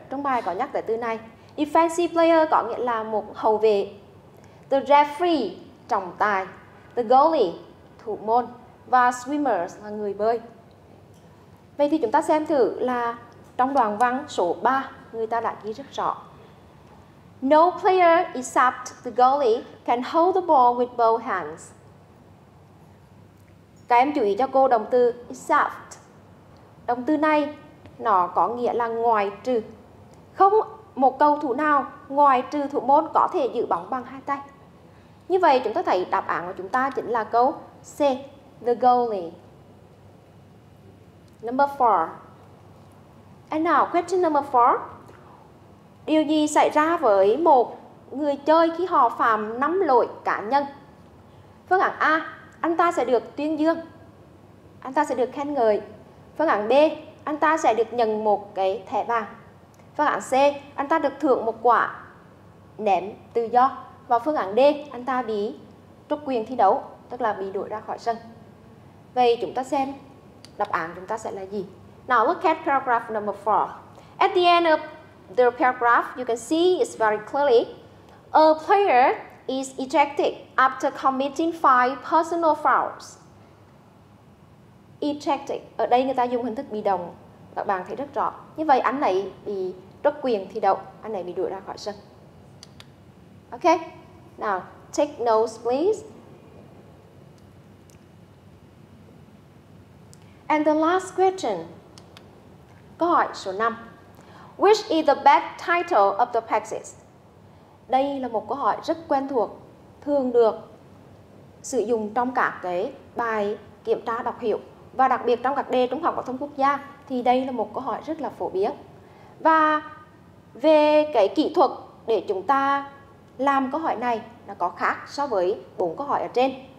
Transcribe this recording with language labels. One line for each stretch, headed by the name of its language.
Vietnamese: Trong bài có nhắc tới từ này.
English: Defensive player
Vietnamese: có nghĩa là một hậu vệ.
English: The referee,
Vietnamese: trọng tài.
English: The goalie,
Vietnamese: thủ môn. Và swimmers, là người bơi. Vậy thì chúng ta xem thử là trong đoạn văn số 3, người ta đã ghi rất rõ.
English: No player except the goalie can hold the ball with both hands.
Vietnamese: Các em chú ý cho cô động từ except. Động từ này nó có nghĩa là ngoài trừ. Không một cầu thủ nào ngoài trừ thủ môn có thể giữ bóng bằng hai tay. Như vậy chúng ta thấy đáp án của chúng ta chính là câu C,
English: the goalie. Number 4. And now question number 4.
Vietnamese: Điều gì xảy ra với một người chơi khi họ phạm 5 lỗi cá nhân? Phương án A, anh ta sẽ được tuyên dương. Anh ta sẽ được khen ngợi. Phương án B, anh ta sẽ được nhận một cái thẻ vàng. Phương án C, anh ta được thưởng một quả ném tự do. Và phương án D, anh ta bị trục quyền thi đấu, tức là bị đuổi ra khỏi sân. Vậy chúng ta xem đáp án chúng ta sẽ là gì.
English: Now look at paragraph number 4. At the end of the paragraph, you can see it's very clearly. A player is ejected after committing 5 personal fouls. Ejected.
Vietnamese: Ở đây người ta dùng hình thức bị động. Các bạn thấy rất rõ. Như vậy anh này bị trút quyền thi đấu. Anh này bị đuổi ra khỏi sân.
English: Okay. Now, take notes please. And the last question.
Vietnamese: Câu hỏi số 5.
English: Which is the best title of the practice?
Vietnamese: Đây là một câu hỏi rất quen thuộc, thường được sử dụng trong các cái bài kiểm tra đọc hiệu và đặc biệt trong các đề trung học phổ thông quốc gia thì đây là một câu hỏi rất là phổ biến. Và về cái kỹ thuật để chúng ta làm câu hỏi này nó có khác so với bốn câu hỏi ở trên.